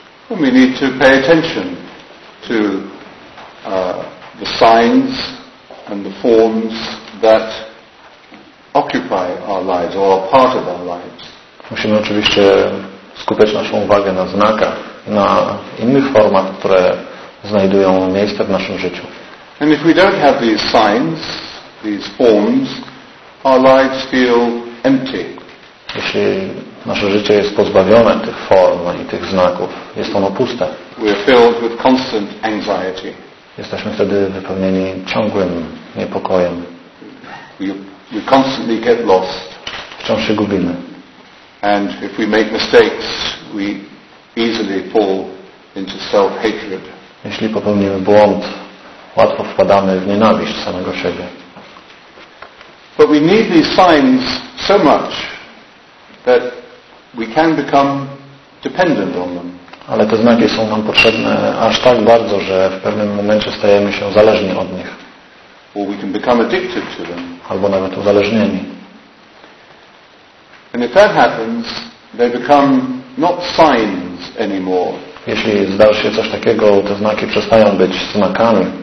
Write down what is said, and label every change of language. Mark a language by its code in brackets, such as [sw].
[en] We need to pay attention to the signs and the forms that occupy our lives or are part of our lives. [pl] Musimy oczywiście skupiać naszą uwagę na znakach, na innych formach, które znajdują miejsce w naszym życiu. [en] And if we don't have these signs, these forms, our lives feel empty. [pl] Jeśli nasze życie jest pozbawione tych form i tych znaków, jest ono puste. [en] We are filled with constant anxiety. [pl] Jesteśmy wtedy wypełnieni ciągłym niepokojem. [en] We constantly get lost. [pl] Wciąż się gubimy. [en] And if we make mistakes, we easily fall into self-hatred. [pl] Jeśli popełnimy błąd, łatwo wpadamy w nienawiść samego siebie. [en] But we need these signs so much that we can become dependent on them. [pl] Ale te znaki są nam potrzebne aż tak bardzo, że w pewnym momencie stajemy się zależni od nich. [en] Or we can become addicted to them. [pl] Albo nawet uzależnieni. [en] And if that happens, they become not signs anymore. [pl] Jeśli zdarzy się coś takiego, te znaki przestają być znakami.